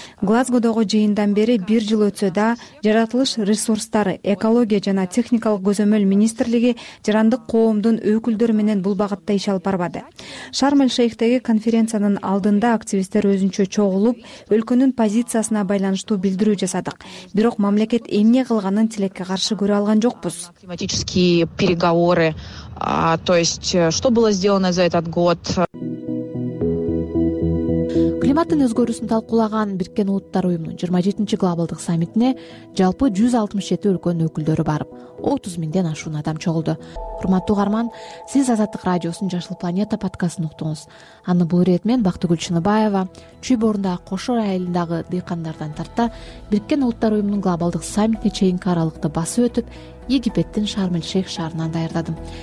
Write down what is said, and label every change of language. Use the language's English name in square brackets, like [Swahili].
[Kyrgyz] Глазгодогу жыйындан бери бир жыл өтсө да, жаратылыш ресурстары, экология жана техникалык көзөмөл министрлиги жарандык коомдун өкүлдөрү менен бул багытта иш алып барбады. Шарм-эль-Шейхтеги конференциянын алдында активисттер өзүнчө чогулуп, өлкөнүн позициясына байланыштуу билдирүү жасадык. Бирок мамлекет эмне кылганын тилекке каршы көрө алган жокпуз. [Russian] Климатические переговоры, то есть что было сделано за этот год? [Kyrgyz] Климаттын өзгөрүүсүн талкуулаган Бириккен Улуттар Уюмунун 27-чи глобалдык саммитине жалпы 167 өлкөнүн өкүлдөрү барып, 30 миңден ашуун адам чогулду. Урматтуу каарман, сиз Азаттык радиосунун Жашыл планета подкастын уктуңуз. Аны бул ирет мен Бактыгүл Чыныбаева, Чүй Борундагы Кошой айылындагы дыйкандардан тарта Бириккен Улуттар Уюмунун глобалдык саммитине чейинки аралыкты басып өтүп, Египеттин Шарм-эль-Шейх шаарынан даярдадым.